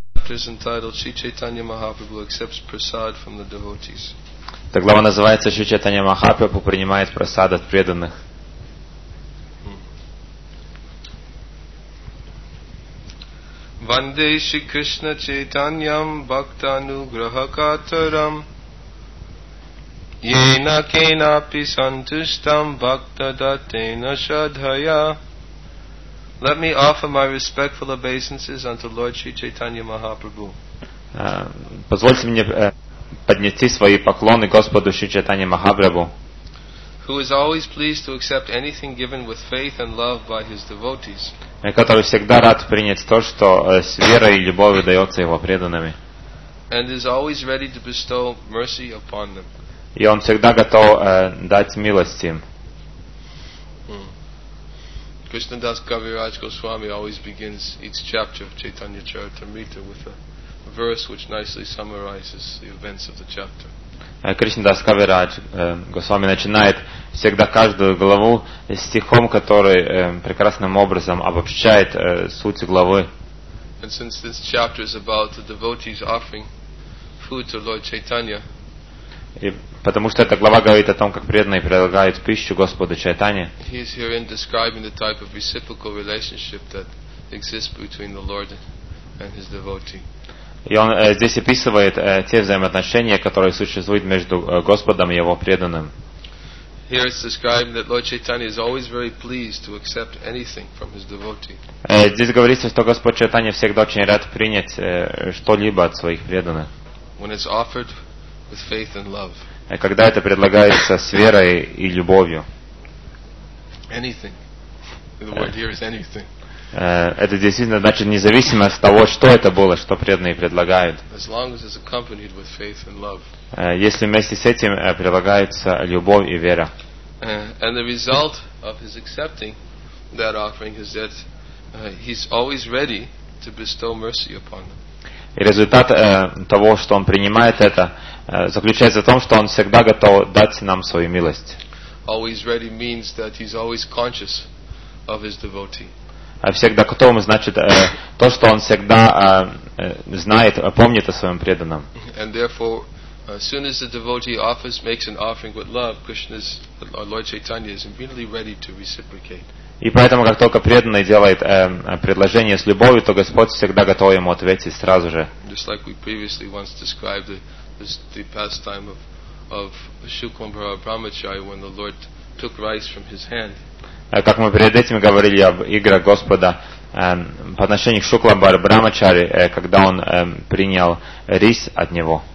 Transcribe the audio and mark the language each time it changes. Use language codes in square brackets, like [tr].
[en] is entitled Sri Chaitanya Mahaprabhu accepts prasad from the devotees. [uk] Та глава називається Шрі Чайтанья Махапрабху приймає просад від преданих. [sa] Ванде Шрі Кришна Чайтаньям Бхактану Грахакатарам Єна Кенапі Сантуштам Бхактадатена Шадхая. [en] Let me offer my respectful obeisances unto Lord Шрі Чайтанья Махапрабху. [uk] Позвольте мені поднести свої поклони Господу Шрі Чайтанья Махапрабху. [en] Who is always pleased to accept anything given with faith and love by his devotees. [uk] Який завжди рад прийняти те, що з вірою і любов'ю дається його преданими. [en] And is always ready to bestow mercy upon them. [uk] І він завжди готов дати милості. [en] Krishna Das Kaviraj Goswami always begins each chapter of Chaitanya Charitamrita with a verse which nicely summarizes the events of the chapter. [ru] Krishna Das Kaviraj Goswami начинает всегда каждую главу стихом, который прекрасным образом обобщает суть главы. [en] And since this chapter is about the devotees offering food to Lord Chaitanya, [ru] и потому что эта глава говорит о том, как преданные предлагают пищу Господу Чайтанье. [en] He is herein describing the type of reciprocal relationship that exists between the Lord and his devotee. [ru] И он здесь описывает те взаимоотношения, которые существуют между Господом и его преданным. [en] Here it's described that Lord Chaitanya is always very pleased to accept anything from his devotee. [ru] Здесь говорится, что Господь Чайтанья всегда очень рад принять что-либо от своих преданных. [en] When it's offered with faith and love. [ru] Когда это предлагается с верой и любовью. [en] Anything. The word here is anything. [ru] Это действительно значит независимо от того, что это было, что преданные предлагают. [en] As long as it's accompanied with faith and love. [ru] Если вместе с этим предлагается любовь и вера. [en] And the result of his accepting that offering is that he's always ready to bestow mercy upon them. [ru] И результат того, что он принимает это, заключается в том, что он всегда готов дать нам свою милость. [en] Always ready means that he's always conscious of his devotee. [ru] Всегда готов значит то, что он всегда знает, помнит о своем преданном. [en] And therefore, as soon as the devotee offers, makes an offering with love, Krishna's Lord Chaitanya is immediately ready to reciprocate. [ru] И поэтому, как только преданный делает предложение с любовью, то Господь всегда готов ему ответить сразу же. [en] Just like we previously once described the pastime of Shukumbhara Brahmachari when the Lord took rice from his hand. [ru] Как мы перед этим говорили об играх Господа по отношению к Шукумбхара Брахмачари, когда он принял рис от него.